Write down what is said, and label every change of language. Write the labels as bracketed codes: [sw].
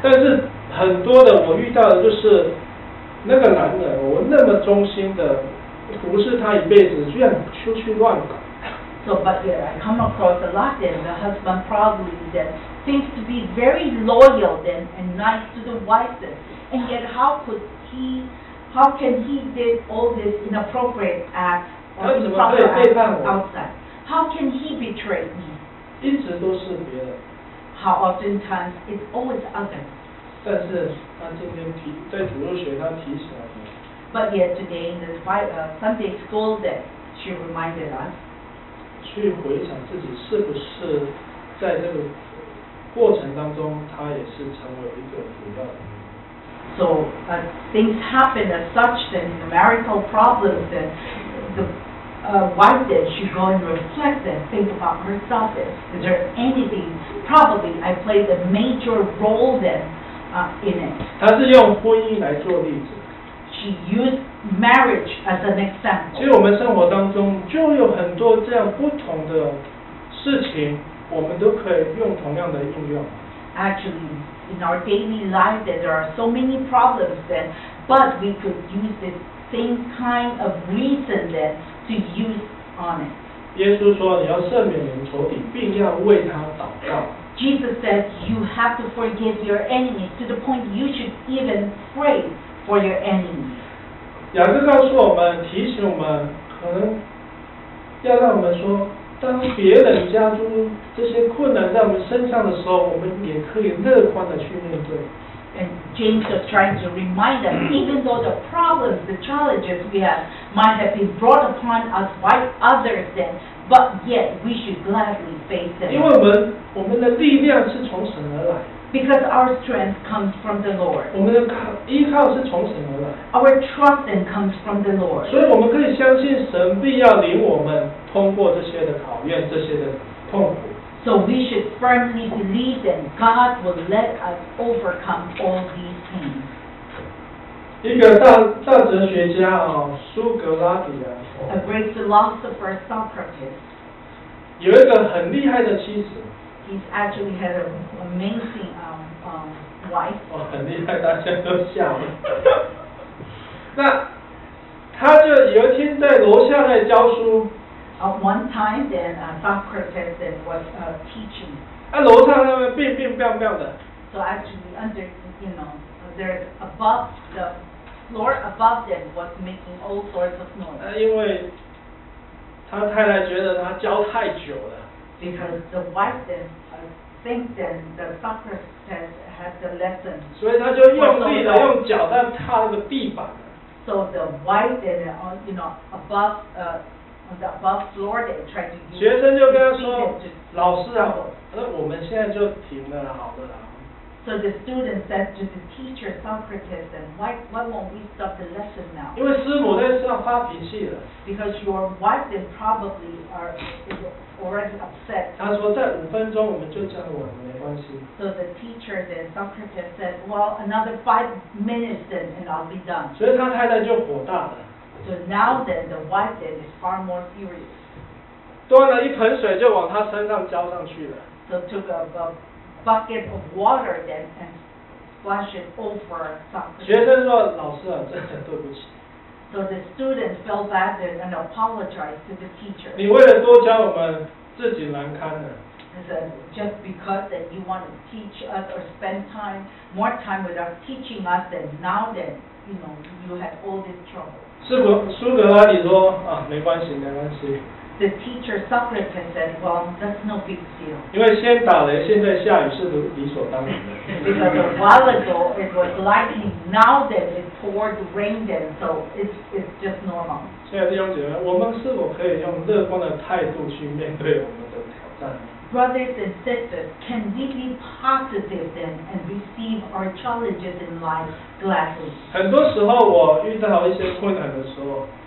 [zh] 但是很多的我遇到的就是那个男人，我那么忠心的服侍他一辈子，居然出去乱搞。 [en] So, but yeah, I come across a lot then. The husband probably then seems to be very loyal then and nice to the wife then. And yet, how can he did all this inappropriate act or improper act outside? How can he betray me? [zh] 一直都是别人。 [en] How often times it's always others. [zh] 但是他今天提在主日学他提起来了。 [en] But yet today in the Sunday school that she reminded us. [zh] 去回想自己是不是在这个过程当中，他也是成为一个主要的。 [en] So, but things happen as such then the marital problems then the. Why did she go and reflect and think about herself? Is there anything? Probably I played a major role then in it. [zh] 她是用婚姻来做例子。 [en] She used marriage as an example. [zh] 其实我们生活当中就有很多这样不同的事情，我们都可以用同样的应用。 [en] Actually, in our daily life, there are so many problems then, but we could use the same kind of reason then. To use on it. [zh] 耶稣说你要赦免人仇敌，并要为他祷告。 [en] Jesus said you have to forgive your enemies to the point you should even pray for your enemies. [zh] 雅各告诉我们，提醒我们，可能要让我们说，当别人加诸这些困难在我们身上的时候，我们也可以乐观的去面对。 [en] And James was trying to remind us, even though the problems, the challenges we have might have been brought upon us by others then, but yet we should gladly face them. [zh] 因为我们的力量是从神而来。 [en] Because our strength comes from the Lord. [zh] 我们的依靠是从神而来。 [en] Our trust then comes from the Lord. [zh] 所以我们可以相信神必要领我们通过这些的考验，这些的痛苦。 [en] So we should firmly believe that God will let us overcome all these things. [zh] 一个 大哲学家苏格拉底啊。 [en] A great philosopher, Socrates. [zh] 有一个很厉害的妻子。 [en] He actually had an amazing wife. [zh] 很厉害，大家都笑了。那他就有一天在楼下在教书。 [en] One time, then Socrates then was teaching. [zh] 楼上那边乒乒乓乓的。 [en] So actually, under you know, there above the floor above them was making all sorts of noise. [zh] 因为他太太觉得他教太久了。 [en] Because the wife then thinks then the Socrates had the lesson. [zh] 所以他就用力的用脚在踏那个地板。 [en] So the wife then you know above On the above floor, they try to use [zh] 学生就跟他说老师啊我们现在就停了好了啦 [en] So the student said to the teacher Socrates then, why won't we stop the lesson now? [zh] 因为师母在上发脾气了 [en] Because your wife then probably is already upset [zh] 他说在五分钟我们就讲完了没关系 [en] So the teacher then Socrates said well another 5 minutes then and I'll be done [zh] 所以他太太就火大了 [en] So now then, the wife then is far more furious. [zh] 端了一盆水就往他身上浇上去了。 [en] So took a bucket of water then and splashed it over Socrates. [zh] 学生说老师啊，真的对不起。 [en] So the student felt bad then and apologized to the teacher. [zh] 你为了多教我们，自己难堪了。 [en] He said, just because that you want to teach us or spend time, more time without teaching us, then now then you know, you have all this trouble. [zh] 苏格拉底说, 啊, 没关系, 没关系。 [en] The teacher Socrates said, well, that's no big deal. [zh] 因为先打雷, 现在下雨是理所当然的。 [en] Because a while ago it was lightning, now that it poured rain then, so it's just normal. [zh] 亲爱的弟兄姐妹, [en] Brothers and sisters, can we be positive then and receive our challenges in life gladly? [zh] 很多时候我遇到一些困难的时候,